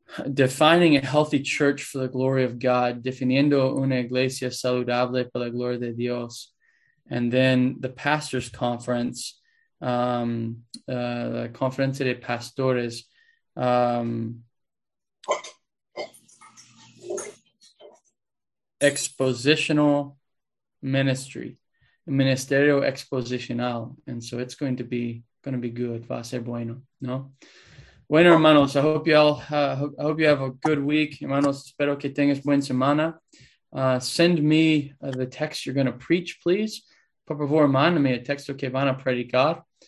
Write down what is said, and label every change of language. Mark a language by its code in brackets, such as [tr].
[en] Defining a healthy church for the glory of God. [es] Definiendo una iglesia saludable para la gloria de Dios. [en] And then the pastor's conference, the Conferencia de Pastores. Expositional ministry, [es] ministerio expositional. [en] And so it's going to be good. [es] Va a ser bueno, ¿no? Bueno, hermanos, [en] I hope you have a good week. [es] Hermanos, espero que tengas buena semana. [en] Send me the text you're going to preach, please. [es] Por favor, mándame el texto que van a predicar.